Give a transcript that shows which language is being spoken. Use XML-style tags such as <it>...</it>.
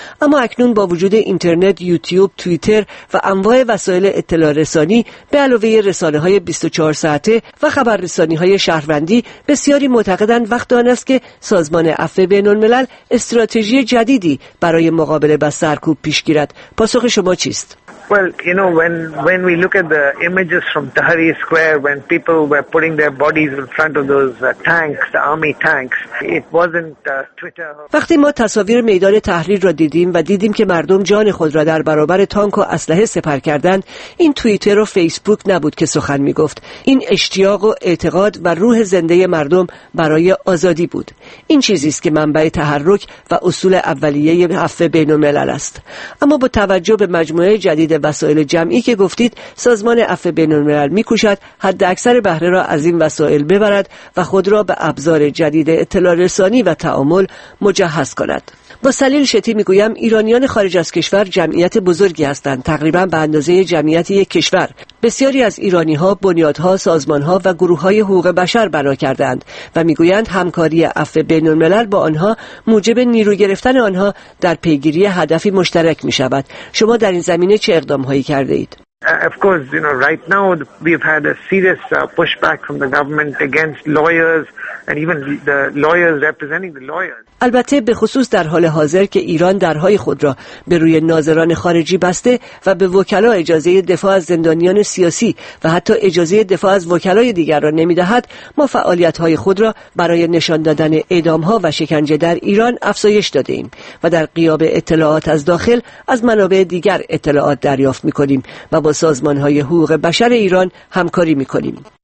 <fa>اما اکنون با وجود اینترنت، یوتیوب، توییتر و انواع وسایل اطلاع رسانی به علاوه رسانه‌های 24 ساعته و خبررسانی‌های شهروندی، بسیاری معتقدند وقت آن است که سازمان عفو بین‌الملل استراتژی جدیدی برای مقابله با سرکوب پیش گیرد. پاسخ شما چیست؟</fa> <en>Well, you know, when we look at the images from Tahrir Square, when people were putting their bodies in front of those tanks, the army tanks, it wasn't Twitter.</en> <fa>وقتی ما تصاویر میدان تحریر را دیدیم و دیدیم که مردم جان خود را در برابر تانک و اسلحه سپر کردند، این توییتر و فیسبوک نبود که سخن می‌گفت. این اشتیاق و اعتقاد و روح زنده مردم برای آزادی بود. این چیزی است که منبع تحرک و اصول اولیه عفو بین‌الملل است. اما با توجه به مجموعه جدید وسایل جمعی که گفتید، سازمان عفو بین‌الملل می‌کوشد حد اکثر بهره را از این وسایل ببرد و خود را به ابزار جدید اطلاع رسانی و تعامل مجهز کند. با سلیل شتی میگویم ایرانیان خارج از کشور جمعیت بزرگی هستند، تقریبا به اندازه جمعیت یک کشور. بسیاری از ایرانی ها بنیادها، سازمان ها و گروه های حقوق بشر بنا کردند و میگویند همکاری عفو بین الملل با آنها موجب نیرو گرفتن آنها در پیگیری هدفی مشترک می شود. شما در این زمینه چه اقدام هایی کرده اید؟</fa> <en>Of course, you know, right now we've had a serious pushback from the government against lawyers and even the lawyers representing the lawyers.</en> <fa>البته به خصوص در حال حاضر که ایران درهای خود را به روی ناظران خارجی بسته و به وکلا اجازه دفاع از زندانیان سیاسی و حتی اجازه دفاع از وکلای دیگر را نمی دهد، ما فعالیت های خود را برای نشان دادن اعدام ها و شکنجه در ایران افزایش داده ایم و در غیاب اطلاعات از داخل از منابع دیگر اطلاعات دریافت می کنیم و با سازمان های حقوق بشر ایران همکاری می کنیم.</fa>